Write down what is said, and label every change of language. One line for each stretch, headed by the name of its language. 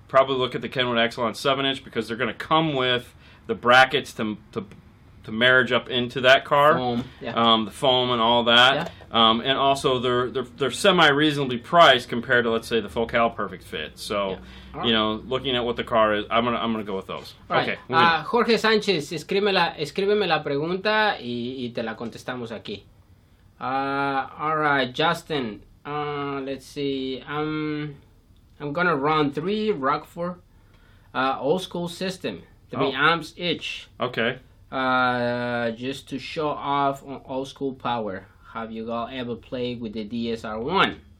English: Probably look at the Kenwood Exelon 7-inch because they're going to come with the brackets to marriage up into that car. Foam. Yeah. The foam and all that. Yeah. And also, they're semi-reasonably priced compared to, let's say, the Focal Perfect Fit. So, yeah. You know, looking at what the car is, I'm gonna go with those. All okay. Right.
Spanish: Jorge Sánchez, escríbeme la pregunta y te la contestamos aquí.
English: All right, Justin. Let's see. I'm gonna run 3 Rockford old school system, 3 amps each. Okay. Just to show off on old school power. Have you all ever played with the DSR1?